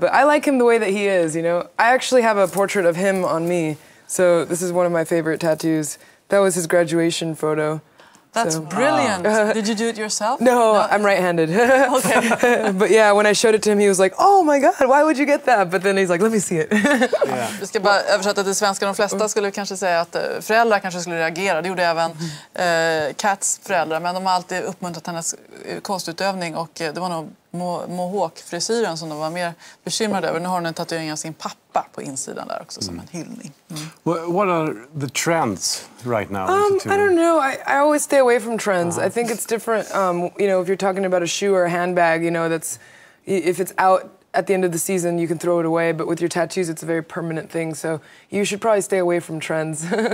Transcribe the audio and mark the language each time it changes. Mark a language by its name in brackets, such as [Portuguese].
[English] But I like him the way that he is, you know. I actually have a portrait of him on me. So this is one of my favorite tattoos. That was his graduation photo. That's brilliant. Wow. Did you do it yourself? No. I'm right-handed. Okay. But yeah, when I showed it to him, he was like, oh my god, why would you get that? But then he's like, let me see it. [Swedish] Vi ska bara översätta till svenska. De flesta skulle kanske säga att föräldrar kanske skulle reagera. Det gjorde även Kats föräldrar. Men de har alltid uppmuntrat hennes konstutövning. Och det var nog mohawk-frisyren som de var mer bekymrade över. Nu har hon en tatuering av sin pappa på insidan där också som en hyllning. [English] What are the trends right now? I don't know. I always stay away from trends. I think it's different, you know, if you're talking about a shoe or a handbag, you know, that's, if it's out at the end of the season, you can throw it away. But with your tattoos, it's a very permanent thing. So you should probably stay away from trends.